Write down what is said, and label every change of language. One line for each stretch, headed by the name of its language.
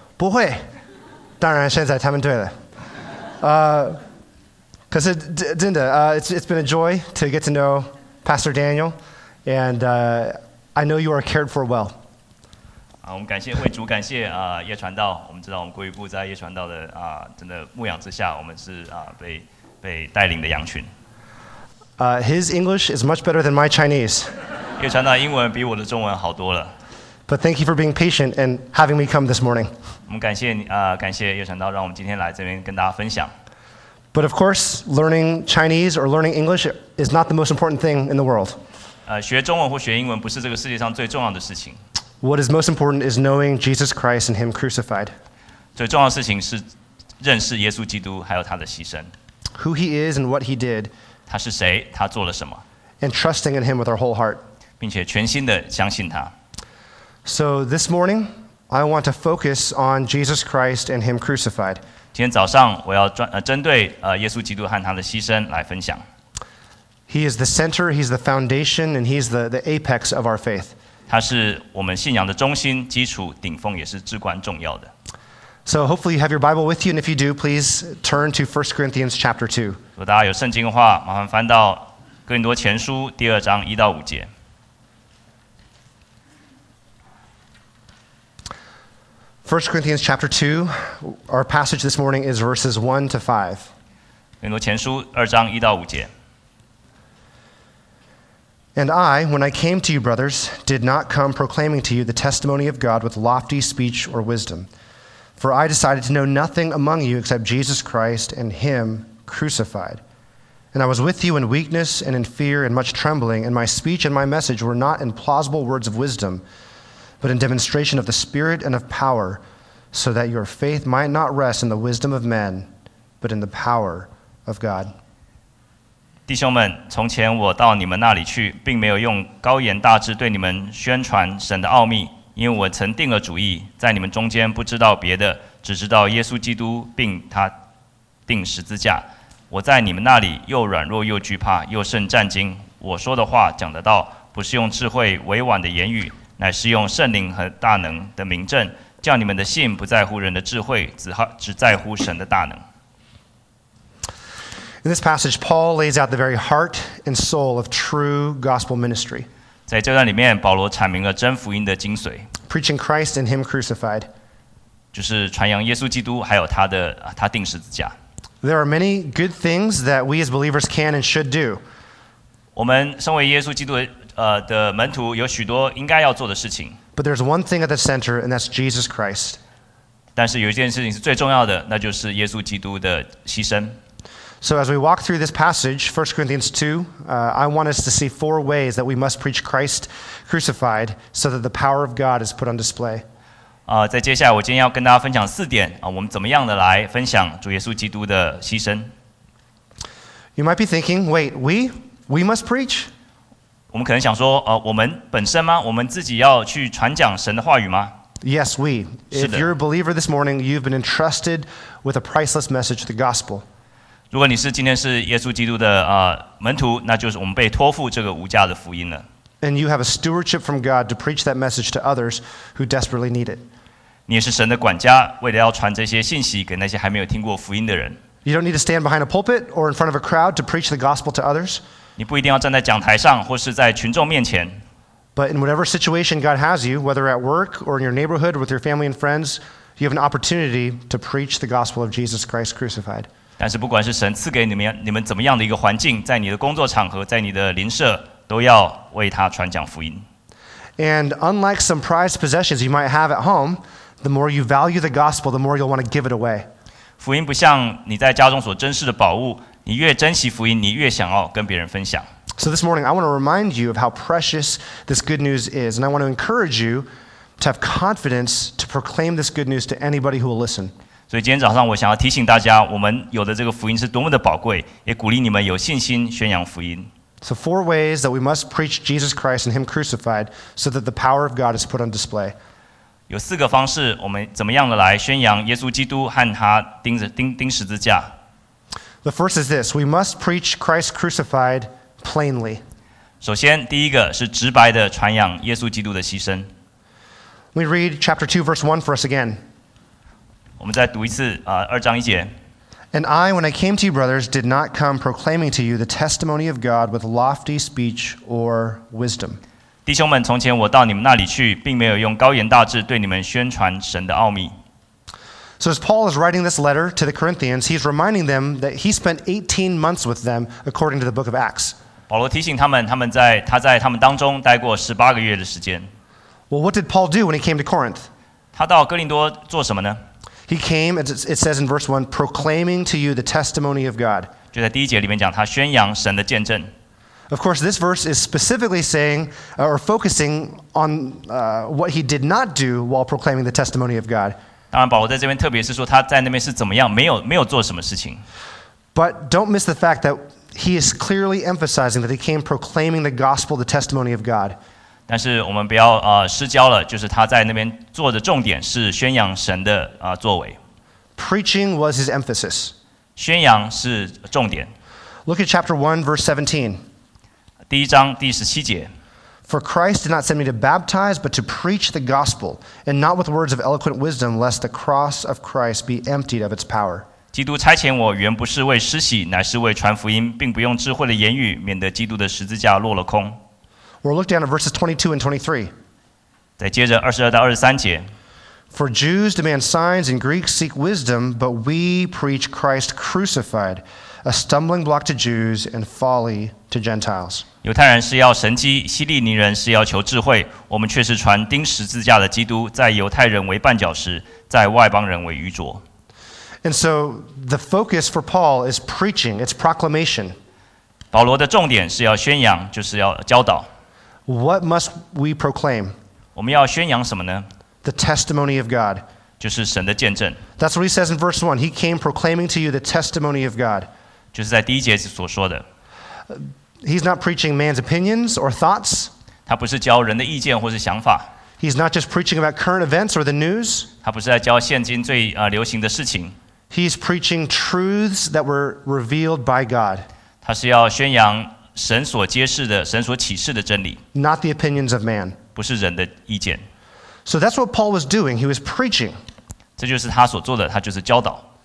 Chinese: 不会，当然现在他们对了。可是真的
English: it's been a joy to get to know Pastor Daniel, and I know you are cared for well.
Chinese: 我们感谢惠主，感谢叶传道。我们知道我们归于父，在叶传道的真的牧养之下，我们是被带领的羊群。
English: His English is much better than my Chinese.
Chinese: 叶传道英文比我的中文好多了。
English: But thank you for being patient and having me come this morning.
Chinese: 我们感谢你感谢叶传道，让我们今天来这边跟大家分享。
English: But of course, learning Chinese or learning English is not the most important thing in the world.
Chinese: 学中文或学英文不是这个世界上最重要的事情。
English: What is most important is knowing Jesus Christ and Him crucified.
Chinese: 最重要的事情是认识耶稣基督还有他的牺牲。
English: Who He is and what He did.
Chinese: 他是谁？他做了什么？
English: And trusting in Him with our whole heart.
Chinese: 并且全心的相信他。
English: So this morning, I want to focus on Jesus Christ and Him crucified.
Chinese: 今天早上我要针对耶稣基督和他的牺牲来分享。
English: He is the center, He's the foundation, and He's the apex of our faith.
Chinese: 他是我们信仰的中心、基础、顶峰，也是至关重要的。
English: So hopefully you have your Bible with you, and if you do, please turn to 1 Corinthians chapter 2.
Chinese: 如果大家有圣经的话，麻烦翻到《哥林多前书》第二章一到五节。
English: 1 Corinthians chapter 2, our passage this morning is verses 1 to 5.
Chinese: 哥林多前书二章一到五节。
English: And I, when I came to you, brothers, did not come proclaiming to you the testimony of God with lofty speech or wisdom. For I decided to know nothing among you except Jesus Christ and Him crucified. And I was with you in weakness and in fear and much trembling, and my speech and my message were not in plausible words of wisdom, but in demonstration of the Spirit and of power, so that your faith might not rest in the wisdom of men, but in the power of God.
Chinese: 弟兄们，从前我到你们那里去，并没有用高言大志对你们宣传神的奥秘，因为我曾定了主意，在你们中间不知道别的，只知道耶稣基督并他钉十字架。我在你们那里又软弱又惧怕，又甚战惊。我说的话讲的道，不是用智慧委婉的言语，乃是用圣灵和大能的明证，叫你们的信不在乎人的智慧，只在乎神的大能。
English: In this passage, Paul lays out the very heart and soul of true gospel ministry.
Chinese: 在这段里面，保罗阐明了真福音的精髓。
English: Preaching Christ and Him crucified.
Chinese: 就是传扬耶稣基督，还有他钉十字架。
English: There are many good things that we as believers can and should do.
Chinese: 我们身为耶稣基督的门徒，有许多应该要做的事情。
English: But there's one thing at the center, and that's Jesus Christ.
Chinese: 但是有一件事情是最重要的，那就是耶稣基督的牺牲。
English: So as we walk through this passage, 1 Corinthians 2, I want us to see four ways that we must preach Christ crucified so that the power of God is put on display.
Chinese: 在接下来我今天要跟大家分享四点，我们怎么样的来分享主耶稣基督的牺牲。
English: You might be thinking, wait, we must preach?
Chinese: 我们可能想说，我们本身吗？我们自己要去传讲神的话语吗？
English: Yes, we. If you're a believer this morning, you've been entrusted with a priceless message, the gospel.
Chinese: 如果你是今天是耶稣基督的门徒，那就是我们被托付这个无价的福音了。
English: And you have a stewardship from God to preach that message to others who desperately need it.
Chinese: 你也是神的管家，为了要传这些信息给那些还没有听过福音的人。
English: You don't need to stand behind a pulpit or in front of a crowd to preach the gospel to others.
Chinese: 你不一定要站在讲台上或是在群众面前。
English: But in whatever situation God has you, whether at work or in your neighborhood or with your family and friends, you have an opportunity to preach the gospel of Jesus Christ crucified.
Chinese: 但是不管是神赐给你们怎么样的一个环境，在你的工作场合，在你的邻舍，都要为他传讲福音。
English: And unlike some prized possessions you might have at home, the more you value the gospel, the more you'll want to give it away.
Chinese: 福音不像你在家中所珍视的宝物，你越珍惜福音，你越想要跟别人分享。
English: So this morning, I want to remind you of how precious this good news is, and I want to encourage you to have confidence to proclaim this good news to anybody who will listen.
Chinese: 所以今天早上我想要提醒大家，我们有的这个福音是多么的宝贵，也鼓励你们有信心宣扬福音。
English: So four ways that we must preach Jesus Christ and Him crucified, so that the power of God is put on display.
Chinese: 有四个方式，我们怎么样的来宣扬耶稣基督和他钉十字架。
English: The first is this: we must preach Christ crucified plainly.
Chinese: 首先，第一个是直白的传扬耶稣基督的牺牲。
English: Let me read chapter 2, verse 1 for us again.
Chinese: 我们再读一次二章一节。
English: And I, when I came to you, brothers, did not come proclaiming to you the testimony of God with lofty speech or wisdom.
Chinese: 弟兄们，从前我到你们那里去，并没有用高言大志对你们宣传神的奥秘。
English: So as Paul is writing this letter to the Corinthians, he's reminding them that he spent 18 months with them, according to the book of Acts.
Chinese: 保罗提醒他们，他在他们当中待过18个月的时间。
English: Well, what did Paul do when he came to Corinth?
Chinese: 他到哥林多做什么呢？
English: He came, as it says in verse 1, proclaiming to you the testimony of God.
Chinese: 就在第一节里面讲，他宣扬神的见证。
English: Of course, this verse is specifically saying, or focusing on what he did not do while proclaiming the testimony of God.
Chinese: 当然，保罗在这边特别是说他在那边是怎么样，没有做什么事情。
English: But don't miss the fact that he is clearly emphasizing that he came proclaiming the gospel, the testimony of God.
Chinese: 但是我们不要失焦了，就是他在那边做的重点是宣扬神的作为。
English: Preaching was his emphasis.
Chinese: 宣扬是重点。
English: Look at chapter 1, verse 17.
Chinese: 第一章第十七节。
English: For Christ did not send me to baptize, but to preach the gospel, and not with words of eloquent wisdom, lest the cross of Christ be emptied of its power.
Chinese: 基督差遣我，原不是为施洗，乃是为传福音，并不用智慧的言语，免得基督的十字架落了空。
English: Or look down at verses 22 and 23.
Chinese: 再接着22到23节。
English: For Jews demand signs and Greeks seek wisdom, but we preach Christ crucified, a stumbling block to Jews and folly to Gentiles.
Chinese: 犹太人是要神迹，希利尼人是要求智慧，我们却是传钉十字架的基督，在犹太人为绊脚石，在外邦人为愚拙。
English: And so the focus for Paul is preaching, it's proclamation.
Chinese: 保罗的重点是要宣扬，就是要教导。
English: What must we proclaim?
Chinese: 我们要宣扬什么呢?
English: The testimony of God.
Chinese: 就是神的见证。
English: That's what he says in verse 1. He came proclaiming to you the testimony of God.
Chinese: 就是在第一节所说的。
English: He's not preaching man's opinions or thoughts.
Chinese: 他不是教人的意见或是想法。
English: He's not just preaching about current events or the news.
Chinese: 他不是在教现今最流行的事情。
English: He's preaching truths that were revealed by God.
Chinese: 他是要宣扬神所揭示的，神所启示的真理，
English: not the opinions of man，
Chinese: 不是人的意见。
English: So that's what Paul was doing. He was preaching.
Chinese: 这就是他所做的，他就是教导。